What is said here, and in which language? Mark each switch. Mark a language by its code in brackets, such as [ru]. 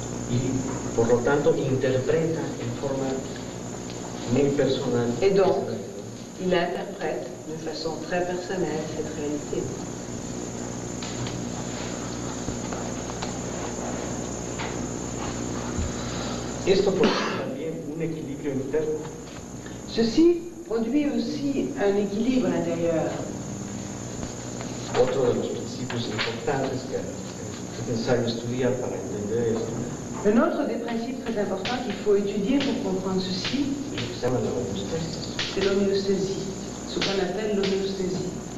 [es] Y por lo tanto interpreta en forma muy personal. [fr] Et donc, il interprète de façon très personnelle cette réalité. [es] Esto produce también un equilibrio interno. [fr] Ceci produit aussi un équilibre intérieur. [es] Otro de los principios importantes que es necesario estudiar para entender esto. [fr] Un autre des principes très importants qu'il faut étudier pour comprendre ceci. C'est l'homéostasie, ce qu'on appelle l'homéostasie.